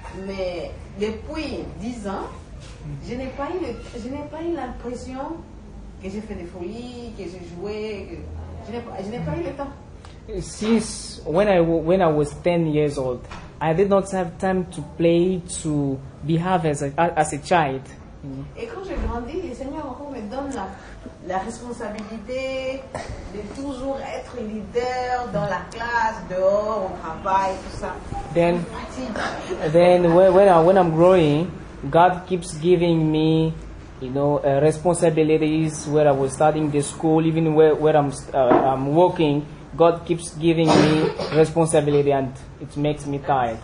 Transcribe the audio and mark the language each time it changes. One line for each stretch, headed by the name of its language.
French: Mais depuis 10 ans, je n'ai pas eu l'impression que j'ai fait des folies, que j'ai joué. Je n'ai pas eu le temps.
English: Since when I was 10 years old, I did not have time to play, to behave as a child.
French: Et quand je grandis, le Seigneur encore me donne la responsabilité de toujours être leader dans la classe, dehors, au travail, tout ça.
English: Then when I'm growing, God keeps giving me, you know, responsibilities where I was studying the school, even where I'm working. God keeps giving me responsibility and it makes me tired.